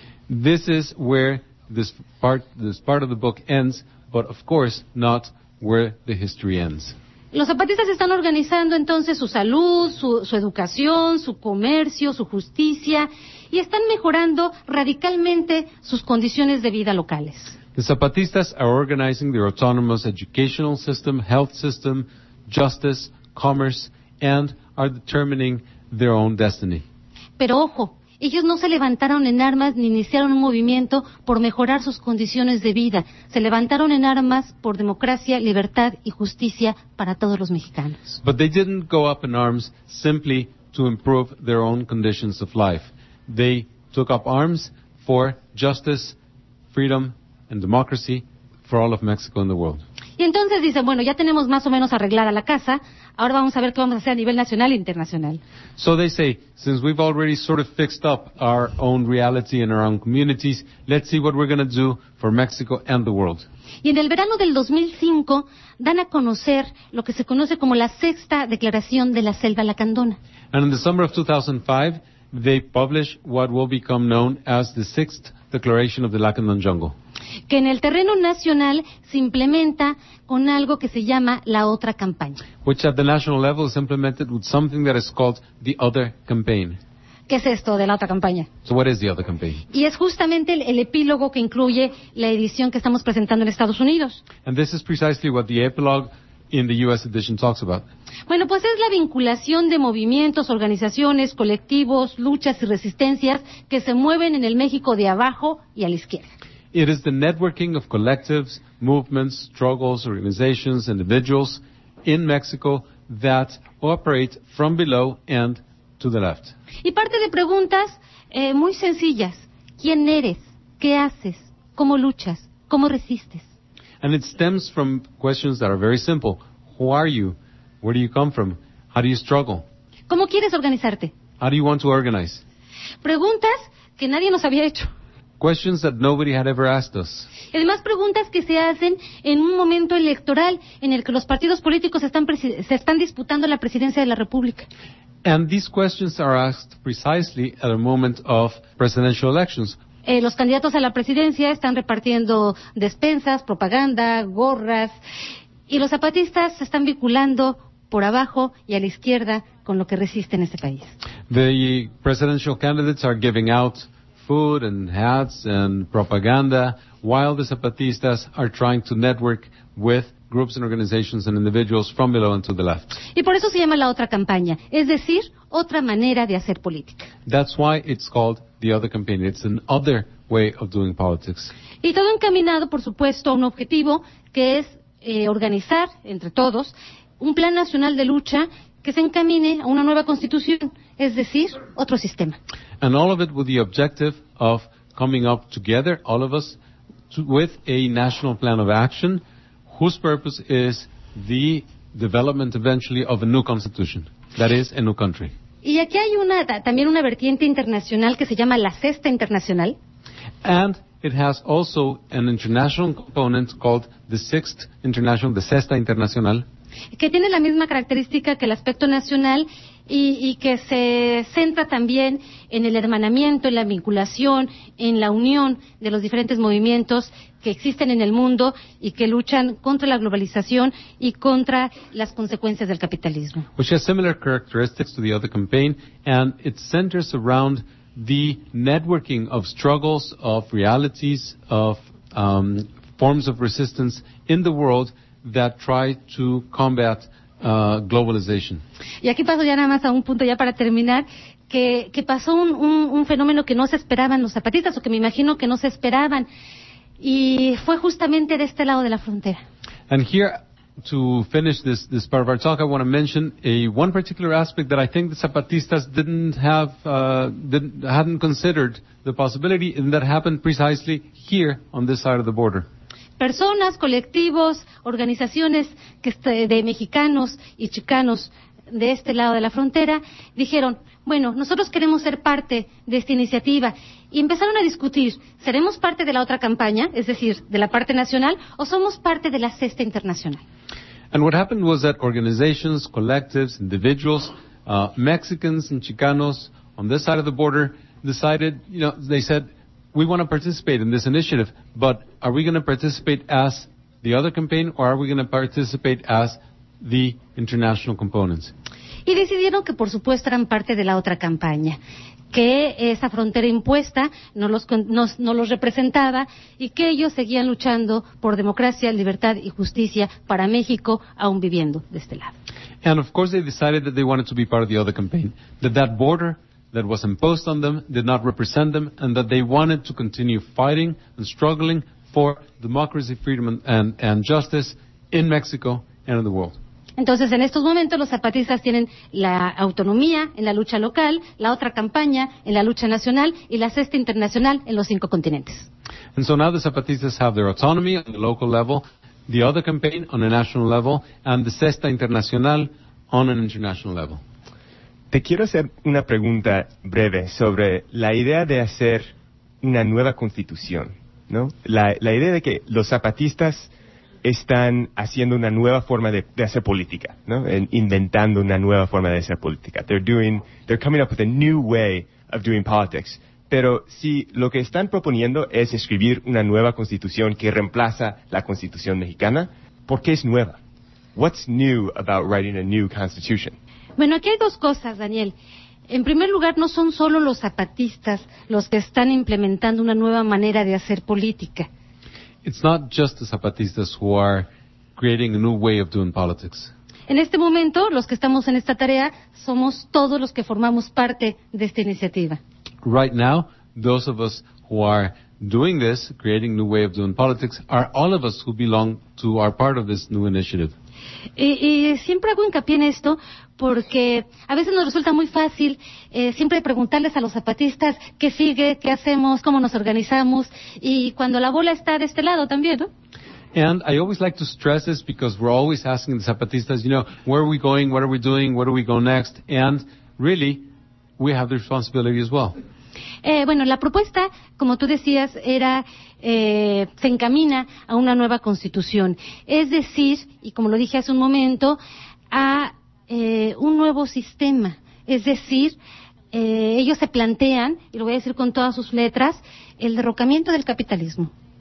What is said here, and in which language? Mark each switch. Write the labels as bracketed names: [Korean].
[English] This is where this part of the book ends, but of course not where the history ends. [Spanish] Los zapatistas están organizando entonces su salud, su educación, su comercio, su justicia, y están mejorando radicalmente sus condiciones de vida locales. [English] The Zapatistas are organizing their autonomous educational system, health system, justice, commerce, and are determining their own destiny. [Spanish] Pero ojo, ellos no se levantaron en armas ni iniciaron un movimiento por mejorar sus condiciones de vida. Se levantaron en armas por democracia, libertad y justicia para todos los mexicanos. [English] But they didn't go up in arms simply to improve their own conditions of life. They took up arms for justice, freedom, and democracy for all of Mexico and the world. [Spanish] Y entonces dicen, bueno, ya tenemos más o menos arreglada la casa, ahora vamos a ver qué vamos a hacer a nivel nacional e internacional. [English] So they say, since we've already sort of fixed up our own reality and our own communities, let's see what we're going to do for Mexico and the world. [Spanish] Y en el verano del 2005 dan a conocer lo que se conoce como la sexta declaración de la selva lacandona. [English] And in the summer of 2005, they publish what will become known as the sixth declaration of the Lacandon jungle. [Spanish] Que en el terreno nacional se implementa con algo que se llama la otra campaña. [English] Which at the national level is implemented with something that is called the other campaign. [Spanish] ¿Qué es esto de la otra campaña? [English] So what is the other campaign? [Spanish] Y es justamente el epílogo que incluye la edición que estamos presentando en Estados Unidos. [English] And this is precisely what the epilogue in the U.S. edition talks about. [Spanish] Bueno, pues es la vinculación de movimientos, organizaciones, colectivos, luchas y resistencias que se mueven en el México de abajo y a la izquierda. [English] It is the networking of collectives, movements, struggles, organizations, individuals in Mexico that operate from below and to the left. [Spanish] Y parte de preguntas muy sencillas. ¿Quién eres? ¿Qué haces? ¿Cómo luchas? ¿Cómo resistes? [English] And it stems from questions that are very simple. Who are you? Where do you come from? How do you struggle? [Spanish] ¿Cómo quieres organizarte? [English] How do you want to organize? [Spanish] Preguntas que nadie nos había hecho. [English] Questions that nobody had ever asked us. [Spanish] Además, preguntas que se hacen en un momento electoral en el que los partidos políticos se están disputando la presidencia de la República. [English] And these questions are asked precisely at a moment of presidential elections. [Spanish] Los candidatos a la presidencia están repartiendo despensas, propaganda, gorras, y los zapatistas se están vinculando por abajo y a la izquierda con lo que resiste en este país. [English] The presidential candidates are giving out food and hats and propaganda, while the zapatistas are trying to network with groups and organizations and individuals from below and to the left. [Spanish] Y por eso se llama la otra campaña, es decir, otra manera de hacer política. [English] That's why it's called the other campaign. It's an other way of doing politics. [Spanish] Y todo encaminado, por supuesto, a un objetivo que es organizar entre todos un plan nacional de lucha que se encamine a una nueva constitución, es decir, otro sistema. [English] And all of it with the objective of coming up together, all of us, with a national plan of action, whose purpose is the development eventually of a new constitution, that is, a new country. [Spanish] Y aquí hay también una vertiente internacional que se llama la Sexta Internacional. [English] And it has also an international component called the Sixth International, the Sexta Internacional. [Spanish] Que tiene la misma característica que el aspecto nacional y que se centra también en el hermanamiento, en la vinculación, en la unión de los diferentes movimientos que existen en el mundo y que luchan contra la globalización y contra las consecuencias del capitalismo. [English] Which has similar characteristics to the other campaign, and it centers around the networking of struggles, of realities, of forms of resistance in the world that try to combat globalization. [Spanish] Y aquí paso ya nada más a un punto ya para terminar, que pasó un fenómeno que no se esperaban los zapatistas, o que me imagino que no se esperaban, y fue justamente de este lado de la frontera. [English] And here, to finish this part of our talk, I want to mention one particular aspect that I think the zapatistas hadn't considered the possibility, and that happened precisely here on this side of the border. [Spanish] Personas, colectivos, organizaciones de mexicanos y chicanos de este lado de la frontera dijeron, bueno, nosotros queremos ser parte de esta iniciativa. Y empezaron a discutir, ¿seremos parte de la otra campaña, es decir, de la parte nacional, o somos parte de la Sexta Internacional? [English] And what happened was that organizations, collectives, individuals, Mexicans and chicanos on this side of the border decided, you know, they said, we want to participate in this initiative, but are we going to participate as the other campaign, or are we going to participate as the international components? [Spanish] Y decidieron que, por supuesto, eran parte de la otra campaña, que esa frontera impuesta no los representaba y que ellos seguían luchando por democracia, libertad y justicia para México, aún viviendo de este lado. [English] And of course, they decided that they wanted to be part of the other campaign, that border that was imposed on them did not represent them, and that they wanted to continue fighting and struggling for democracy, freedom and justice in Mexico and in the world. [Spanish] Entonces, en estos momentos los zapatistas tienen la autonomía en la lucha local, la otra campaña en la lucha nacional y la Sexta Internacional en los cinco continentes. [English] And so now the zapatistas have their autonomy on the local level, the other campaign on a national level, and the Cesta Internacional on an international level. [Spanish] Te quiero hacer una pregunta breve sobre la idea de hacer una nueva constitución, ¿no? La idea de que los zapatistas están haciendo una nueva forma de hacer política, ¿no? Inventando una nueva forma de hacer política. [English] They're coming up with a new way of doing politics. [Spanish] Pero si lo que están proponiendo es escribir una nueva constitución que reemplaza la constitución mexicana, ¿por qué es nueva? [English] What's new about writing a new constitution? [Spanish] Bueno, aquí hay dos cosas, Daniel. En primer lugar, no son solo los zapatistas los que están implementando una nueva manera de hacer política. [English] It's not just the zapatistas who are creating a new way of doing politics. [Spanish] En este momento, los que estamos en esta tarea somos todos los que formamos parte de esta iniciativa. [English] Right now, those of us who are doing this, creating a new way of doing politics, are all of us who belong to are part of this new initiative. [Spanish] Y siempre hago hincapié en esto porque a veces nos resulta muy fácil siempre preguntarles a los zapatistas qué sigue, qué hacemos, cómo nos organizamos y cuando la bola está de este lado también, ¿no? [English] And I always like to stress this because we're always asking the zapatistas, you know, where are we going, what are we doing, where do we go next? And really, we have the responsibility as well. [Spanish] Bueno, la propuesta, como tú decías, era, se encamina a una nueva constitución. Es decir, y como lo dije hace un momento, a un nuevo sistema. Es decir, ellos se plantean, y lo voy a decir con todas sus letras, el derrocamiento del capitalismo.